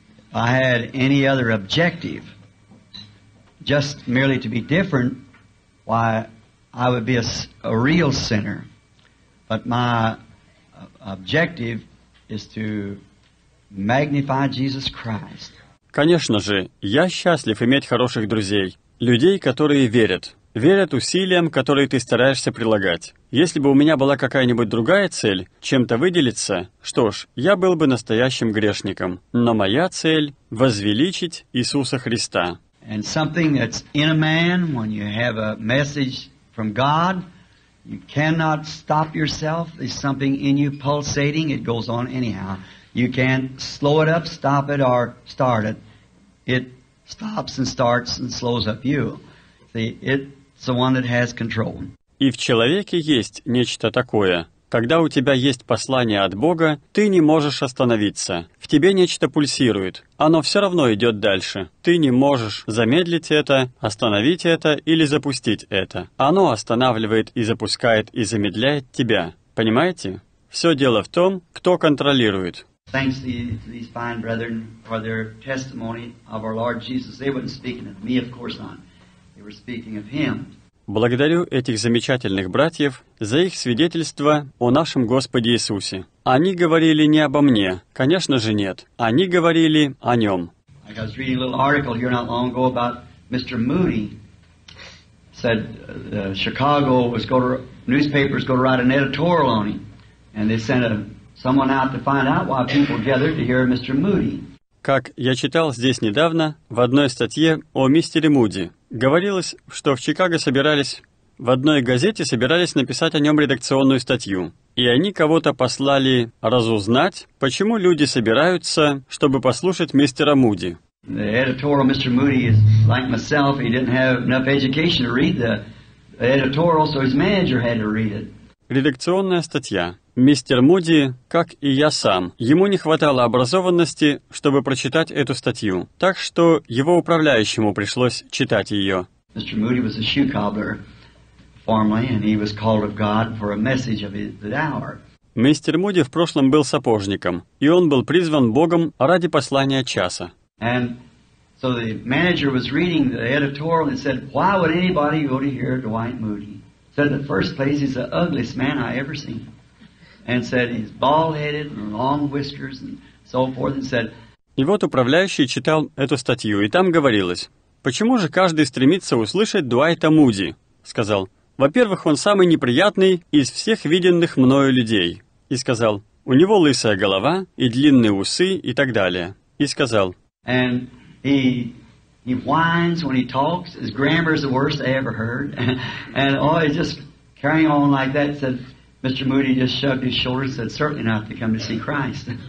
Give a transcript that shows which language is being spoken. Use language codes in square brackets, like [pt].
[en] If I had any other objective, just merely to be different, why, I would be a real sinner. But my objective is to magnify Jesus Christ. [ru] Конечно же, я счастлив иметь хороших друзей. Людей, которые верят. Верят усилиям, которые ты стараешься прилагать. Если бы у меня была какая-нибудь другая цель, чем-то выделиться, что ж, я был бы настоящим грешником. Но моя цель — возвеличить Иисуса Христа. [en] And something that's in a man, when you have a message from God, you cannot stop yourself. There's something in you pulsating. It goes on anyhow. You can't slow it up, stop it, or start it. It stops and starts and slows up you. See, it's the one that has control. [ru] И в человеке есть нечто такое. Когда у тебя есть послание от Бога, ты не можешь остановиться. В тебе нечто пульсирует. Оно все равно идет дальше. Ты не можешь замедлить это, остановить это или запустить это. Оно останавливает и запускает и замедляет тебя. Понимаете? Все дело в том, кто контролирует. [en] Thanks to these fine brethren for their testimony of our Lord Jesus. They weren't speaking of me, of course not. They were speaking of Him. [ru] Благодарю этих замечательных братьев за их свидетельство о нашем Господе Иисусе. Они говорили не обо мне, конечно же нет. Они говорили о Нем. [en] I was reading a little article here not long ago about Mr. Moody. Said Chicago was going to, newspapers going to write an editorial on him, and they sent someone out to find out why people gathered to hear Mr. Moody. [ru] Как я читал здесь недавно в одной статье о мистере Муди. Говорилось, что в Чикаго в одной газете собирались написать о нем редакционную статью. И они кого-то послали разузнать, почему люди собираются, чтобы послушать мистера Муди. [en] The editorial Mr. Moody is like myself, he didn't have enough education to read the editorial, so his manager had to read it. [ru] Редакционная статья. Мистер Муди, как и я сам, ему не хватало образованности, чтобы прочитать эту статью, так что его управляющему пришлось читать ее. [en] Mr. Moody was a shoe cobbler formerly, and he was called of God for a message of the hour. [ru] Мистер Муди в прошлом был сапожником, и он был призван Богом ради послания часа. [en] And so the manager was reading the editorial and said, "Why would anybody go to hear Dwight Moody?" Said the first place he's the ugliest man I ever seen. And said he's bald-headed and long whiskers and so forth and said. [ru] И вот управляющий читал эту статью, и там говорилось: почему же каждый стремится услышать Дуайта Муди? Сказал: во-первых, он самый неприятный из всех виденных мною людей. И сказал: у него лысая голова и длинные усы и так далее. И сказал: [en] and he whines when he talks, his grammar is the worst I ever heard. And oh, he's just carrying on like that, said Mr. Moody just shrugged his shoulders and said, "Certainly not to come to see Christ."